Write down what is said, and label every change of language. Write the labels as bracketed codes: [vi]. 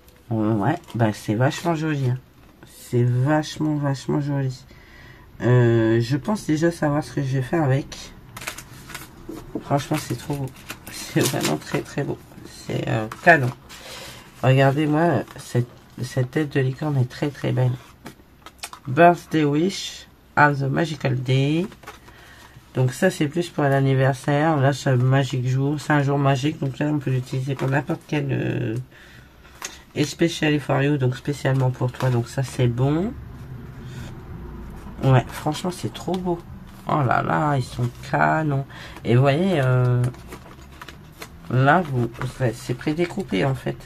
[fr] Ouais, bah c'est vachement joli. Hein. C'est vachement, vachement joli. Je pense déjà savoir ce que je vais faire avec. Franchement, c'est trop beau. C'est vraiment très, très beau. C'est canon. Regardez-moi, cette tête de licorne est très, très belle. [en] Birthday wish of the magical day. [fr] Donc ça c'est plus pour l'anniversaire. Là c'est un magique jour. C'est un jour magique. Donc là on peut l'utiliser pour n'importe quel. [en] Especially for you. [fr] Donc spécialement pour toi. Donc ça c'est bon. Ouais, franchement c'est trop beau. Oh là là, ils sont canons. Et vous voyez, là c'est prédécoupé en fait.